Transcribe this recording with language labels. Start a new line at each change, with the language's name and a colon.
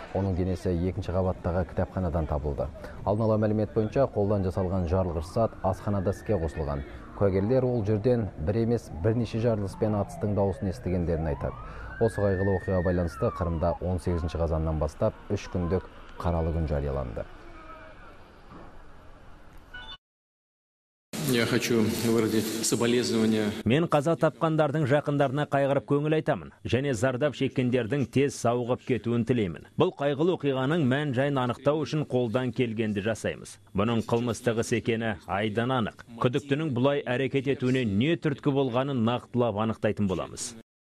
Kazakh: Оның денесі 2-ші қабаттағы кітапханадан табылды. Алдын ала мәлімет бойынша, қолдан жасалған жарылғыш зат асханада іске қосылған. Куәгерлер ол жерден бір емес, бірнеше жарылыспен атыстың дауысын естігендерін айтады. Осы қайғылы оқиға байланысты Қырымда 18-ші қазаннан бастап 3 күндік қаралы күн жарияланды.
Russian: Я хочу выразить соболезнования.
Kazakh: Мен қаза тапқандардың жақындарына қайғырып көңіл айтамын, және зардап шеккендердің тез сауығып кетуін тілеймін. Бұл қайғылы оқиғаның мән жайын анықтау үшін қолдан келгенді жасаймыз. Бұның қылмыстығы секені айдан анық. Күдіктінің бұлай әрекет етуіне не түрткі болғанын нақтылап анықтайтын боламыз.